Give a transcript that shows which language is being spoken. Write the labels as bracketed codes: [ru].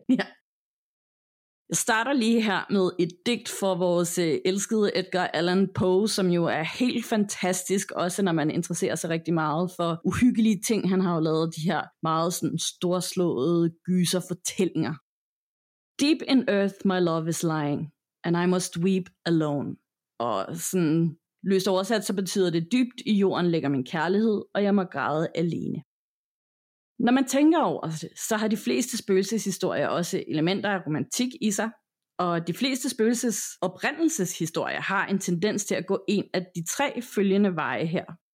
[da] Ja. Jeg starter lige her med et digt for vores elskede Edgar Allan Poe, som jo er helt fantastisk, også når man interesserer sig rigtig meget for uhyggelige ting. Han har jo lavet de her meget sådan storslåede gyserfortællinger. [en] Deep in earth my love is lying, and I must weep alone. [da] Og sådan løst oversat, så betyder det, dybt i jorden ligger min kærlighed, og jeg må græde alene. Når man tænker over det, så har de fleste spøgelseshistorier også elementer af romantik i sig, og de fleste spøgelses oprindelseshistorier har en tendens til at gå en af de tre følgende veje her.